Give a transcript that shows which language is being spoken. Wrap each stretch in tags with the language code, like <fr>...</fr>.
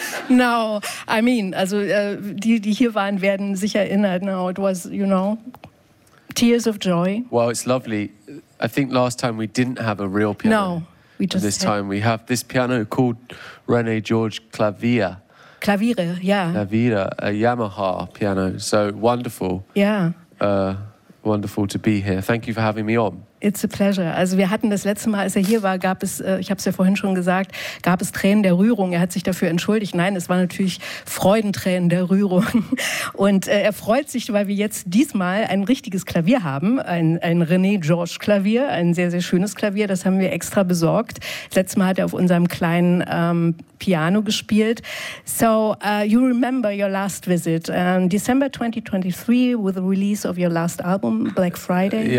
<en>No, I mean,</en> <de>also, die hier waren, werden sich erinnern.</de> <en>No, it was, you know, tears of joy. Well, it's lovely. I think last time we didn't have a real piano. No, we just this had... time we have this piano called René Georges Clavier. Klaviere, yeah. Klaviere, a Yamaha piano. So wonderful. Yeah. Wonderful to be here. Thank you for having me on. It's a pleasure.</en> <de>Also wir hatten das letzte Mal, als er hier war, gab es, ich habe es ja vorhin schon gesagt, gab es Tränen der Rührung. Er hat sich dafür entschuldigt. Nein, es waren natürlich Freudentränen der Rührung. Und er freut sich, weil wir jetzt diesmal ein richtiges Klavier haben, ein René Georges Klavier, ein sehr, sehr schönes Klavier. Das haben wir extra besorgt. Das letzte Mal hat er auf unserem kleinen Piano gespielt.</de> <en>So, you remember your last visit. December 2023 with the release of your last album, Black Friday.</en>